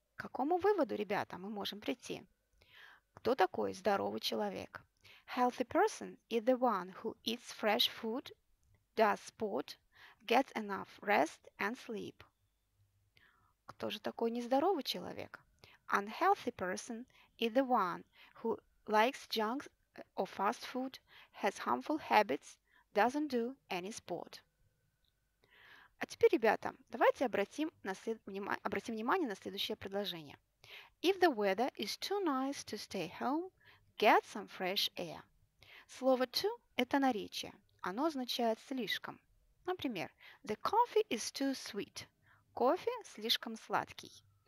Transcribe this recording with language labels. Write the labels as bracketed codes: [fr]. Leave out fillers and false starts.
[ru] К какому выводу, ребята, мы можем прийти? Кто такой здоровый человек? [en] Healthy person is the one who eats fresh food, does sport, gets enough rest and sleep. [ru] Кто же такой нездоровый человек? [en] Unhealthy person is the one who likes junk or fast food, has harmful habits, doesn't do any sport. [ru] А теперь, ребята, давайте обратим внимание на следующее предложение. [en] If the weather is too nice to stay home, get some fresh air. [ru] Слово too – это наречие. Оно означает слишком. Например, [en] the coffee is too sweet. [ru] Кофе слишком сладкий.